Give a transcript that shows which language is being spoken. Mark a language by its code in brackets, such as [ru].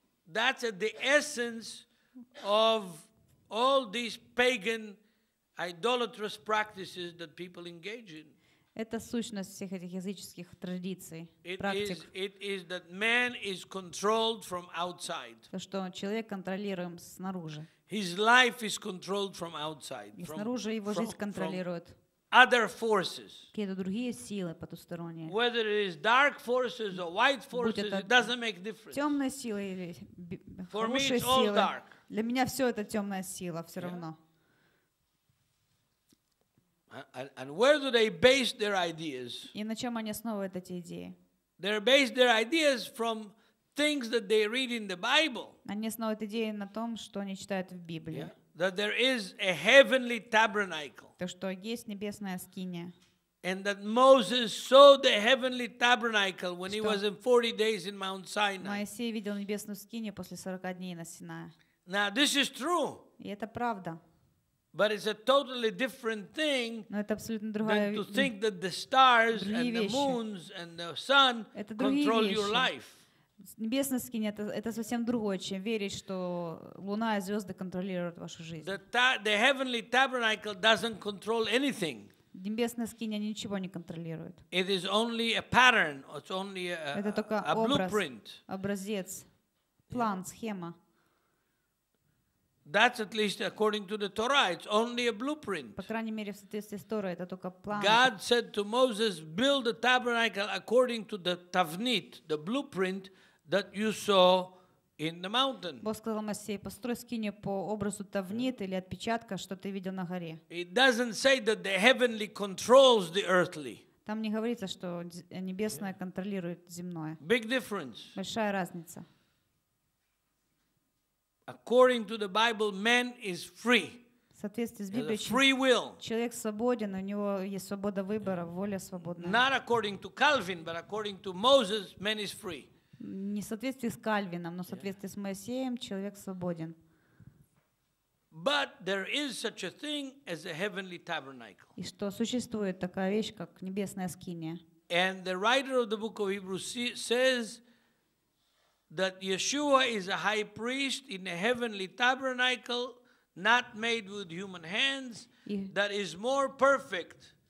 [en] That's the essence of all these pagan idolatrous practices that people engage in. [ru] Это сущность всех этих языческих традиций, практик. [en] It is that man is controlled from outside. [ru] То, что человек контролируем снаружи. [en] His life is controlled from outside. [ru] И снаружи его жизнь контролируют. [en] Other forces. [ru] Какие-то другие силы потусторонние. [en] Whether it is dark forces or white forces, it doesn't make difference. [ru] Темные силы или хорошие силы. Для меня все это темная сила, все равно. [en] And where do they base their ideas? [ru] И на чем они основывают эти идеи? [en] They base their ideas from things that they read in the Bible. [ru] Они основывают идеи на том, что они читают в Библии. [en] That there is a heavenly tabernacle. [ru] То, что есть небесная скиния. [en] And that Moses saw the heavenly tabernacle when he was in 40 days in Mount Sinai. [ru] Моисей видел небесную скинию после 40 дней на Синае. [en] Now this is true. [ru] И это правда. [en] But it's a totally different thing. [ru] Но это абсолютно другая вещь. [en] To think that the stars and the moons and the sun control your life. [ru] Небесная скиния это совсем другое, чем верить, что луна и звезды контролируют вашу жизнь. [en] The heavenly tabernacle doesn't control anything. [ru] Небесная скиния ничего не контролирует. [en] It is only a pattern. It's only a blueprint. [ru] Образец, план, схема. [en] That's at least according to the Torah. It's only a blueprint. [ru] По крайней мере в соответствии с Торой это только план. [en] God said to Moses, build the tabernacle according to the tavnit, the blueprint that you saw in the mountain. [ru] Бог сказал Моисею, построй скинию по образу тавнит или отпечатка, что ты видел на горе. [en] It doesn't say that the heavenly controls the earthly. [ru] Там не говорится, что небесное контролирует земное. [en] Big difference. [ru] Большая разница. [en] According to the Bible, man is free. [ru] В соответствии с Библией, [en] free will. [ru] Человек свободен, у него есть свобода выбора, воля свободная. [en] Not according to Calvin, but according to Moses, man is free. [ru] Не в соответствии с Кальвином, но в соответствии с Моисеем человек свободен. [en] But there is such a thing as a heavenly tabernacle. [ru] И что существует такая вещь, как небесная скиния. [en] And the writer of the book of Hebrews says that Yeshua is a high priest in a heavenly tabernacle, not made with human hands, that is more perfect.